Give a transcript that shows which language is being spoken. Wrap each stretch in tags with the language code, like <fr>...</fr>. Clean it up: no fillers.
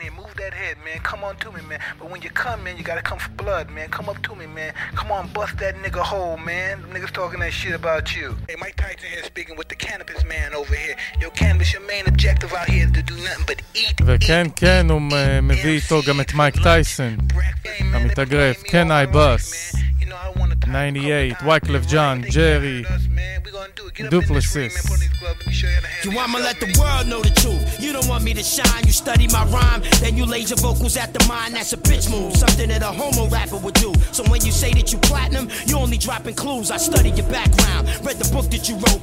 <en>that head man come on to me man but when you come man you gotta come for blood man come up to me man come on bust that nigga hole man them niggas talking that shit about you hey Mike Tyson here speaking with the cannabis man over here yo cannabis your main objective out here is to do nothing but eat</en> <he>וכן כן הוא מביא איתו גם את מייק טייסון המתאגרף</he> <en>can I bust 98</en> <he>וייקלף ג'אן ג'רי</he> <en>man. We gonna do it. Get up Duplicis. In this ring, man. Put on these gloves. Let me show you how to You want me to let the world know the truth. You don't want me to shine. You study my rhyme. Then you lay your vocals at the mine. That's a bitch move. Something that a homo rapper would do. So when you say that you platinum, you only dropping clues. I study your background. Read the book that you wrote.</en>